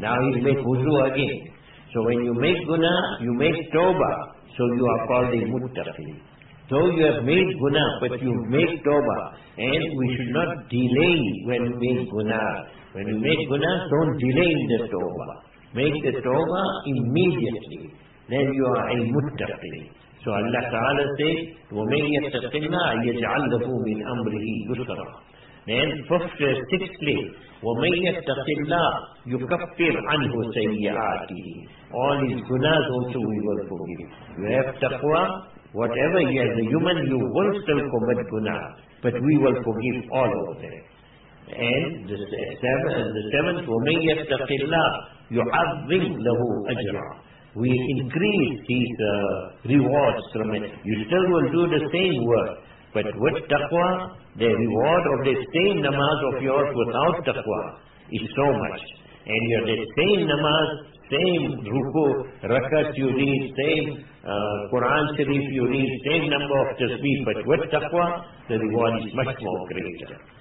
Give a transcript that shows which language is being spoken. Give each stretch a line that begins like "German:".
English: Now he'll make wudu again. So when you make guna, you make tawbah. So you are called a muttaqin. So you have made guna, but you make tawbah. And we should not delay when we make guna. When you make guna, don't delay in the tawbah. Make the tawbah immediately. Then you are a muttaqin. So Allah Ta'ala says,
Arabic: وَمَنْ يَتَّقِ اللَّهِ يَجْعَلْ لَهُ مِنْ أَمْرِهِ يُسْرًا.
English: Then fifthly, sixthly,
Arabic: وَمَنْ يَتَّقِ اللَّهِ يُكَفِّرْ عَنْهُ سَيِّئَاتِهِ.
English: All his gunas also we will forgive. You have taqwa, whatever he has, the human, you will still commit guna, but we will forgive all of them. And the seventh,
Arabic: وَمَنْ يَتَّقِ اللَّهِ يُعَظِّمْ لَهُ أَجْرًا.
English: We increase these rewards from it. You still will do the same work, but with taqwa, the reward of the same namaz of yours without taqwa is so much. And you have the same namaz, same ruku, rakat you read, same Quran Sharif you read, same number of tasbih, but with taqwa, the reward is much more greater.